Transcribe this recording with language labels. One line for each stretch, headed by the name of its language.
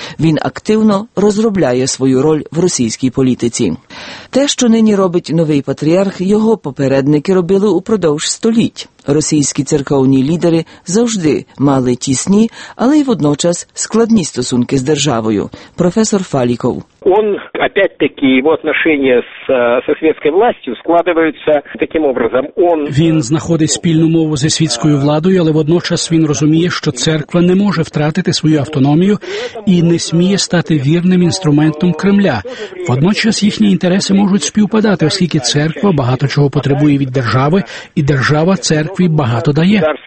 Ukrainian: Він активно розробляє свою роль в російській політиці. Те, що нині робить новий патріарх, його попередники робили упродовж століть. Російські церковні лідери завжди мали тісні, але й водночас складні стосунки з державою. Професор Фаліков.
Russian: Он, опять-таки, его отношения со светской властью складываются таким образом.
Ukrainian: Він знаходить спільну мову зі світською владою, але водночас він розуміє, що церква не може втратити свою автономію і не сміє стати вірним інструментом Кремля. Водночас їхні інтереси можуть співпадати, оскільки церква багато чого потребує від держави, і держава церкві багато дає.